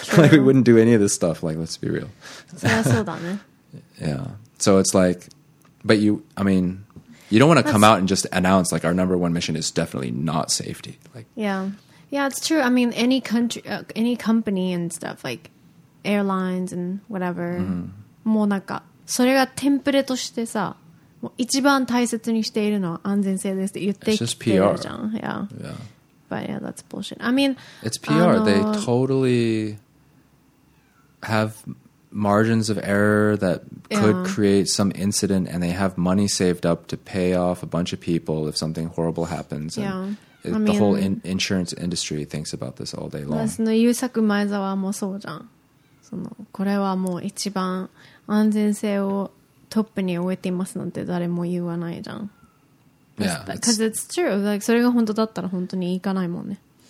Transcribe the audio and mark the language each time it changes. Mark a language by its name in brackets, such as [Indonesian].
[English] Like, we wouldn't do any of this stuff. Like, let's be real. Yeah. So it's like, but you, I mean, you don't want to come out and just announce, like, our number one mission is definitely not safety. Like, Yeah, it's true. I mean, any country, any company and stuff, like airlines and whatever. [Japanese] もうなんか、それがテンプレとしてさ、もう一番大切にしているのは安全性ですって言ってきてるじゃん。 [English] Yeah. But yeah, that's bullshit. I mean, it's PR. They totally have margins of error that could create some incident, and they have money saved up to pay off a bunch of people if something horrible happens. The whole insurance industry thinks about this all day long. [Japanese] その優作前澤もそうじゃん。そのこれはもう一番安全性をトップに置いていますなんて誰も言わないじゃん。 [English] Yeah, it's true. [Japanese] Like それが本当だったら本当に行かないもんね。